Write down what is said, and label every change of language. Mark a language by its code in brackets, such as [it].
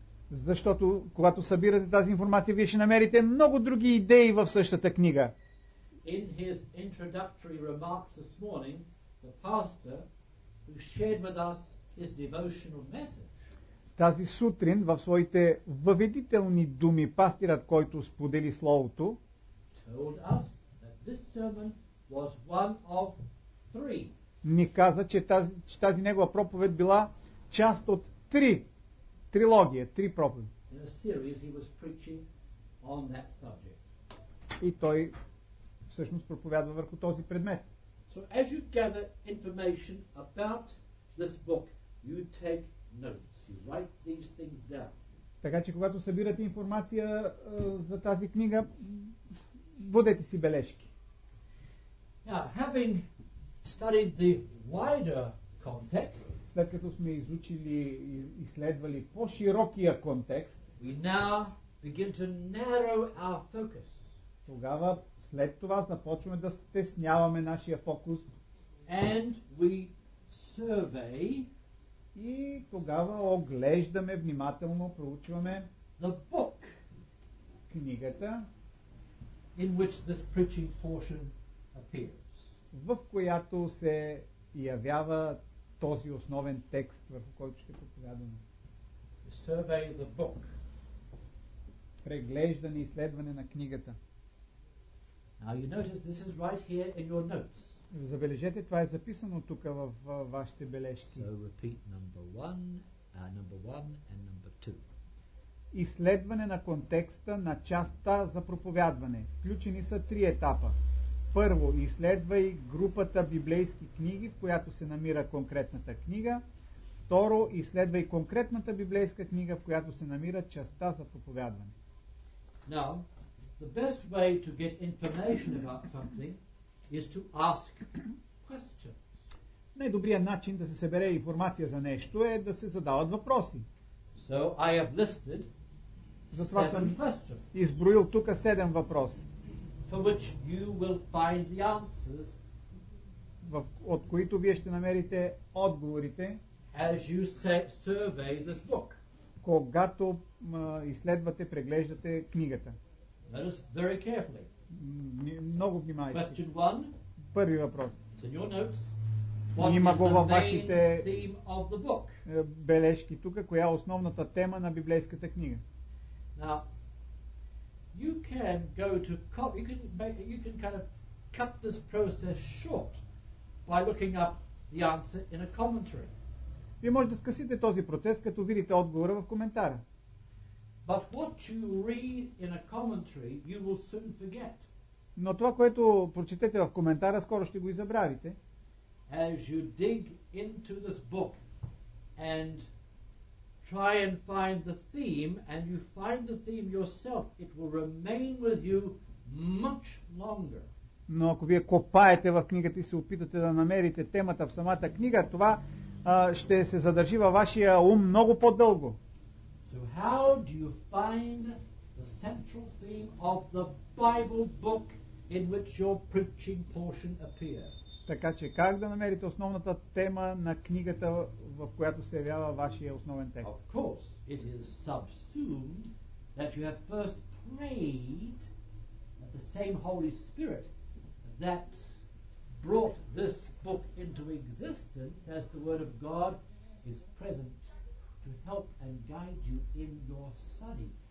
[bg] Защото когато събирате тази информация, вие ще намерите много други идеи в същата книга. [en] In his introductory remarks this morning, the pastor who shared with us his devotional message. [bg] Тази сутрин в своите въведителни думи пастирът, който сподели словото, [en] told us that this sermon was one of three. [bg] Ни каза, че тази негова проповед била част от три проповеди. [en] In a series he was preaching on that subject. [bg] И той всъщност проповядва върху този предмет. [en] So as you gather information about this book, you take notes, you write these things down. [bg] Така че когато събирате информация за тази книга, водете си бележки. [en] Now, having studied the wider context, [bg] след като сме изучили и изследвали по-широкия контекст, [en] we now begin to narrow our focus. [bg] Тогава след това започваме да стесняваме нашия фокус. [en] And we survey, [bg] и тогава оглеждаме внимателно, проучваме [en] the book, [bg] книгата, [en] in which this preaching portion appears, [bg] в която се явява този основен текст, върху който ще проповядаме. [en] Survey the book. [bg] Преглеждане и изследване на книгата. [en] Now you notice this is right here in your notes. [bg] Забележете, това е записано тук в вашите бележки. [en] So repeat number one and number two. [bg] Изследване на контекста на частта за проповядване. Включени са три етапа. Първо, изследвай групата библейски книги, в която се намира конкретната книга. Второ, изследвай конкретната библейска книга, в която се намира частта за проповядване. [en] Now, the best way to get information about something is to ask questions. [bg] Най-добрият начин да се събере информация за нещо е да се задават въпроси. [en] So I have listed seven questions. [bg] Изброил тук 7 въпроси. [en] For which you will find the answers. [bg] От които вие ще намерите отговорите. [en] As you survey this book. [bg] Когато изследвате, преглеждате книгата. [en] That is very carefully. [bg] Много внимайте. [en] Question one. [bg] Първи въпрос. [en] It's in your notes. [bg] Има го във вашите [en] theme of the book? [bg] Бележки тук, коя е основната тема на библейската книга. [en] Now, you can go to you can kind of cut this process short by looking up the answer in a commentary. [bg] Вие можете да скъсите този процес, като видите отговора в коментара. [en] But what you read in a commentary, you will soon forget. [bg] Но това, което прочетете в коментара, скоро ще го и забравите. [en] As you dig into this book and try and find the theme, and you find the theme yourself, it will remain with you much longer. [bg] Но ако вие копаете в книгата и се опитате да намерите темата в самата книга, това ще се задържи във вашия ум много по-дълго. [en] So how do you find the central theme of the Bible book in which your preaching portion appears? [bg] Така че как да намерите основната тема на книгата, в която се явява вашия основен текст? [en] Of course, it is subsumed that you have first prayed that the same Holy Spirit that brought this book into existence as the Word of God is present to help and guide you in your study.